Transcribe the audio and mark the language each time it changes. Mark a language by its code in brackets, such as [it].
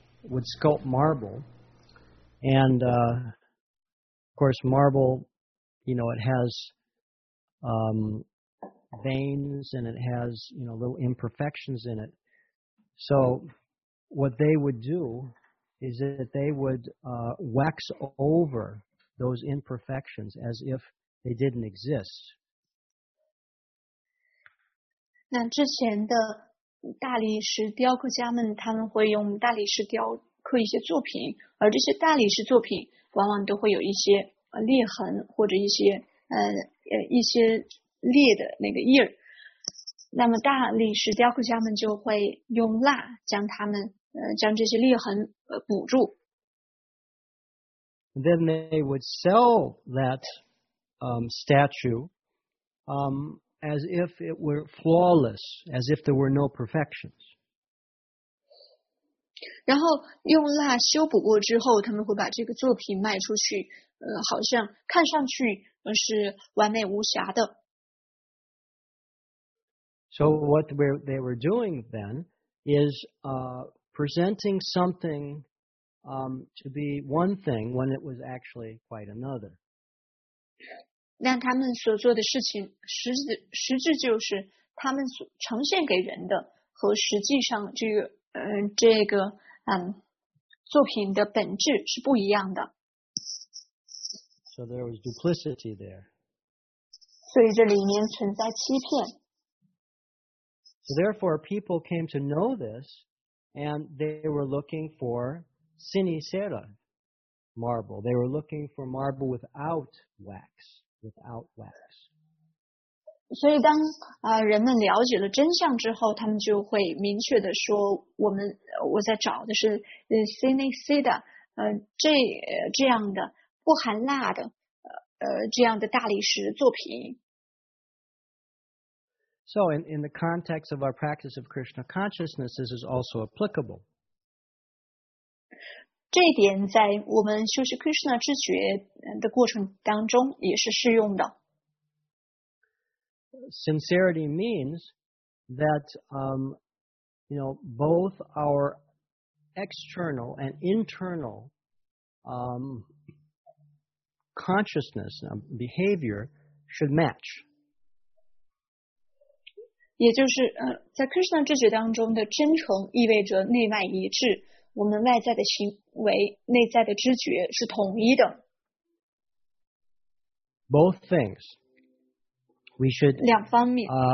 [en] would sculpt marble, and of course marble, you know, it has veins and it has, you know, little imperfections in it. So what they would do is that they would wax over those imperfections as if they didn't exist. [zh] 那之前的大理石雕刻家们，他们会用大理石雕刻一些作品，而这些大理石作品往往都会有一些裂痕或者一些裂的那个印儿。那么大理石雕刻家们就会用蜡将它们将这些裂痕补住。 [en] Then they would sell that statue as if it were flawless, as if there were no perfections. [zh] 然后用蜡修补过之后，他们会把这个作品卖出去，好像看上去是完美无瑕的。 [en] So what they were doing then is presenting something to be one thing when it was actually quite another. [zh] 那他们所做的事情，实质就是他们所呈现给人的和实际上这个。作品的本质是不一样的。 [en] So there was duplicity there. [zh] 所以这里面存在欺骗。 [en] So therefore, people came to know this, and they were looking for sincera marble. They were looking for marble without wax, without wax. [zh] 所以当人们了解了真相之后，他们就会明确的说我在找的是 sincera 这样的不含蜡的这样的大理石作品。 [en] So in the context of our practice of Krishna consciousness, this is also applicable. [zh] 这一点在我们修习 Krishna 知觉的过程当中也是适用的。 [en] Sincerity means that, you know, both our external and internal consciousness, behavior, should match. [zh] 也就是在 Krishna 知觉当中的真诚意味着内外一致，我们外在的行为、内在的知觉是统一的。 [en] Both things. We should, [zh] 两方面。